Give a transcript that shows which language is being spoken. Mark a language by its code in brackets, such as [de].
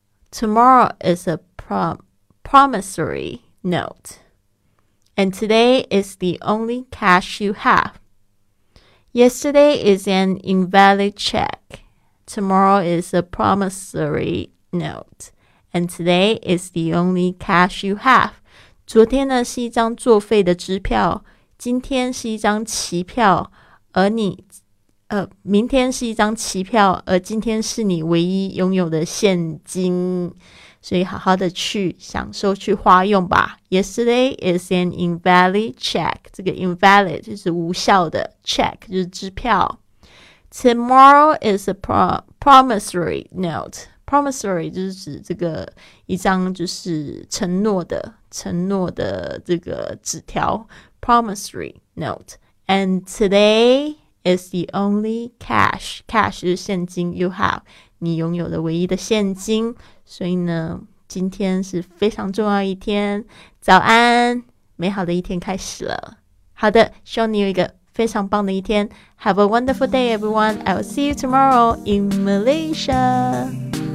[en] Tomorrow is a promissory note. And today is the only cash you have. Yesterday is an invalid check. Tomorrow is a promissory note. And today is the only cash you have. [zh] 昨天呢是一张作废的支票，今天是一张期票，而你明天是一张期票，而今天是你唯一拥有的现金。所以好好的去享受去花用吧。 [en] Yesterday is an invalid check. [zh] 这个 invalid 就是无效的 check 就是支票。 [en] Tomorrow is a promissory note. [zh] Promissory 就是指这个一张就是承诺的这个纸条 promissory note. [en] And today is the only cash. Cash [zh] 就是现金 [en] you have. [zh] 你拥有的唯一的现金，所以呢，今天是非常重要一天。早安，美好的一天开始了。好的，希望你有一个非常棒的一天。 [en] Have a wonderful day, everyone. I will see you tomorrow in Malaysia.